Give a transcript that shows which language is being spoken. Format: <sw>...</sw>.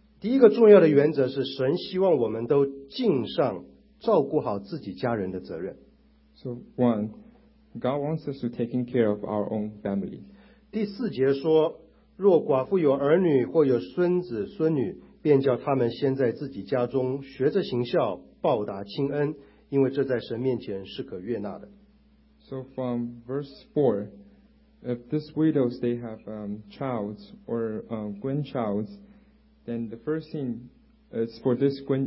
<zh>第一个重要的原则是神希望我们都尽上照顾好自己家人的责任。</zh> <en>So one, God wants us to take care of our own family.</en> <zh>第四节说，若寡妇有儿女或有孙子孙女，便叫他们先在自己家中学着行孝，报答亲恩，因为这在神面前是可悦纳的。</zh> <en>So from verse 4, if these widows they have childs or grandchilds, then the first thing is for this</en>